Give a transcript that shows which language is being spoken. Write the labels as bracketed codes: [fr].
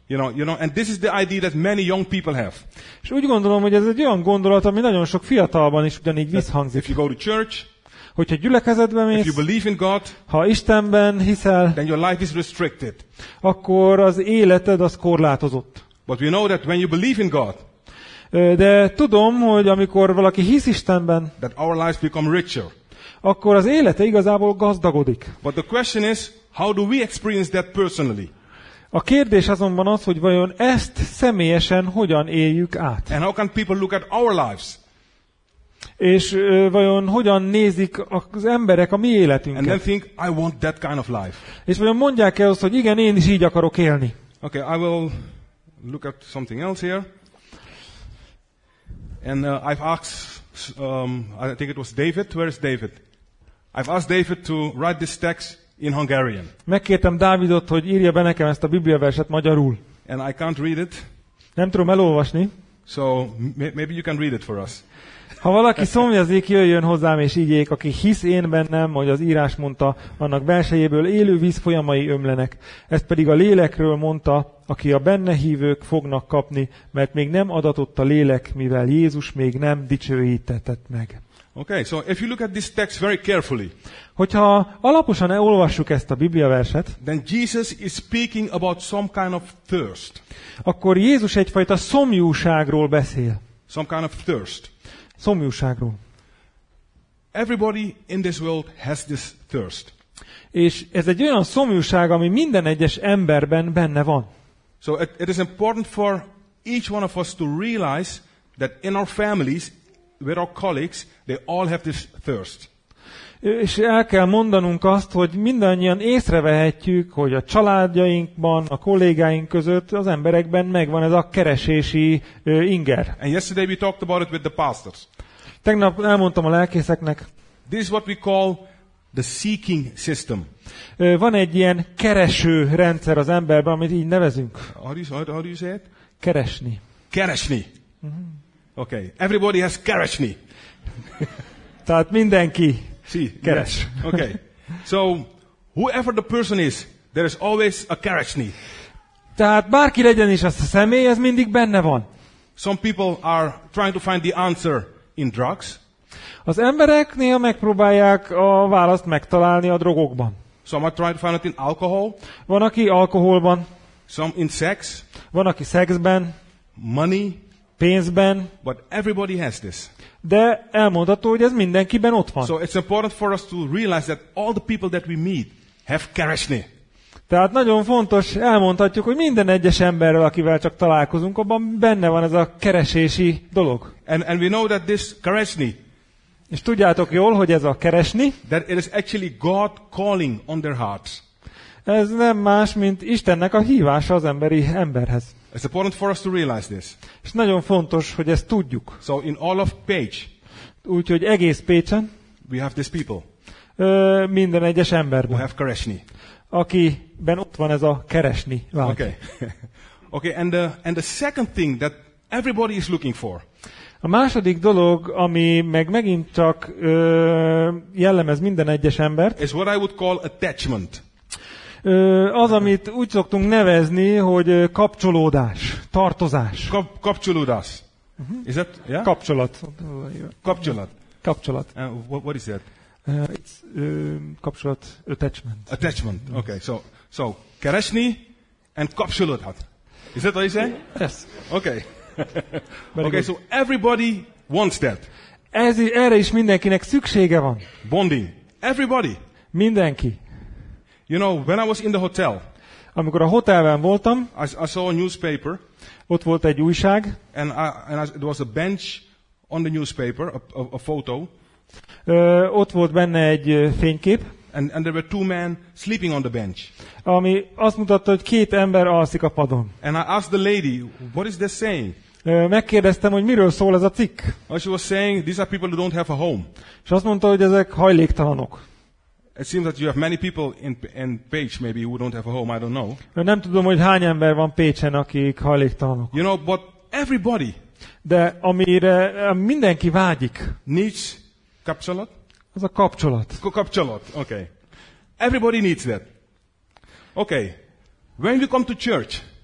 [en] You know, and this is the idea that many young people have. [hu] És úgy gondolom, hogy ez egy olyan gondolat, ami nagyon sok fiatalban is ugyanígy visszhangzik. [en] If you go to church, [hu] hogyha gyülekezetbe mész, [en] if you believe in God, [hu] ha Istenben hiszel, [en] then your life is restricted. [hu] Akkor az életed az korlátozott. [en] But we know that when you believe in God, [hu] de tudom, hogy amikor valaki hisz Istenben, [en] that our lives become richer. [hu] Akkor az élete igazából gazdagodik. [en] But the question is, how do we experience that personally? [hu] A kérdés azonban az, hogy vajon ezt személyesen hogyan éljük át? [en] And how can people look at our lives? [hu] És vajon hogyan nézik az emberek a mi életünket? [en] And then think, I want that kind of life. [hu] És vajon mondják-e azt, hogy igen, én is így akarok élni? [en] Okay, I will look at something else here. And I've asked, I think it was David. Where is David? I've asked David to write this text in Hungarian. [hu] Megkértem Dávidot, hogy írja be nekem ezt a Biblia verset magyarul. [en] And I can't read it. [hu] Nem tudom elolvasni. [en] So maybe you can read it for us. [hu] Ha valaki szomjazik, jöjjön hozzám és igyék, aki hisz én bennem, hogy az írás mondta, annak belsejéből élő víz folyamai ömlenek. Ezt pedig a lélekről mondta, aki a benne hívők fognak kapni, mert még nem adatott a lélek, mivel Jézus még nem dicsőítetett meg. [en] Okay, so if you look at this text very carefully, [hu] hogyha alaposan elolvassuk ezt a Biblia verset, [en] then Jesus is speaking about some kind of thirst. [hu] Akkor Jézus egyfajta szomjúságról beszél. [en] Some kind of thirst. [hu] Szomjúságról. [en] Everybody in this world has this thirst. [hu] És ez egy olyan szomjúság, ami minden egyes emberben benne van. [en] So it is important for each one of us to realize that in our families, with our colleagues, they all have this thirst. [hu] És el kell mondanunk azt, hogy mindannyian észrevehetjük, hogy a családjainkban, a kollégáink között, az emberekben megvan ez a keresési inger. [en] And yesterday we talked about it with the pastors. [hu] Tegnap elmondtam a lelkészeknek. [en] This is what we call the seeking system. [hu] Van egy ilyen kereső rendszer az emberben, amit így nevezünk. [en] How do you say it? [hu] Keresni. [en] Keresni. Mm-hmm. Okay. Everybody has keresni. [hu] Tehát mindenki. [en] See, [hu] keres. [en] Yes. Okay. So, whoever the person is, there is always a keresni. [hu] Tehát bárki legyen is az a személy, ez mindig benne van. [en] Some people are trying to find the answer in drugs. [hu] Az emberek néha megpróbálják a választ megtalálni a drogokban. [en] Some try to find it in alcohol. [hu] Van aki alkoholban. [en] Some in sex. [hu] Van aki szexben. [en] Money. [hu] Pénzben. [en] But everybody has this. [hu] De elmondható, hogy ez mindenkiben ott van. [en] So it's important for us to realize that all the people that we meet have keresni. [hu] Tehát nagyon fontos, elmondhatjuk, hogy minden egyes emberrel, akivel csak találkozunk, abban benne van ez a keresési dolog. [en] And we know that this keresni. [hu] És tudjátok jól, hogy ez a keresni. [en] That it is actually God calling on their hearts. [hu] Ez nem más, mint Istennek a hívása az emberi emberhez. [en] It's important for us to realize this. [hu] És nagyon fontos, hogy ezt tudjuk. [en] So in all of Pécs, [hu] úgyhogy egész Pécsen, [en] we have these people. [hu] Minden egyes emberben. [en] Who have keresni. [hu] Akiben ott van ez a keresni vágy. [en] Okay. Okay, and the second thing that everybody is looking for. [hu] A második dolog, ami meg megint csak jellemez minden egyes embert, [en] is what I would call attachment. [hu] Az, amit úgy szoktunk nevezni, hogy kapcsolódás, tartozás. [en] Kapcsolódás. Is that, yeah? [hu] Kapcsolat. Kapcsolat. Kapcsolat. [en] What is that? It's kapcsolat, attachment. Attachment, okay. So keresni and kapcsolódhat. Is that what you say? Yes. Okay. Okay, so everybody wants that. [hu] Erre is mindenkinek szüksége van. [en] Bonding. Everybody. [hu] Mindenki. [en] You know, when I was in the hotel, [hu] amikor a hotelben voltam, [en] I saw a newspaper. [hu] Ott volt egy újság. [en] And there was a bench on the newspaper, a photo. [hu] Ott volt benne egy fényképp. [en] And there were two men sleeping on the bench. [hu] Ami azt mutatta, hogy két ember alszik a padon. [en] And I asked the lady, what is this saying? [hu] Megkérdeztem, hogy miről szól ez a cikk. [en] And she was saying, these are people who don't have a home. [hu] És azt mondta, hogy ezek hajléktalanok. [en] It seems that you have many people in Pécs, maybe who don't have a home, I don't know. [hu] Nem tudom, hogy hány ember van Pécsen, akik hajléktalanok. [en] You know, but everybody. [hu] De amire mindenki vágyik. [en] Needs kapcsolat. [hu] Az a kapcsolat. [en] Kapcsolat, okay. Everybody needs that. Okay. When we come to church.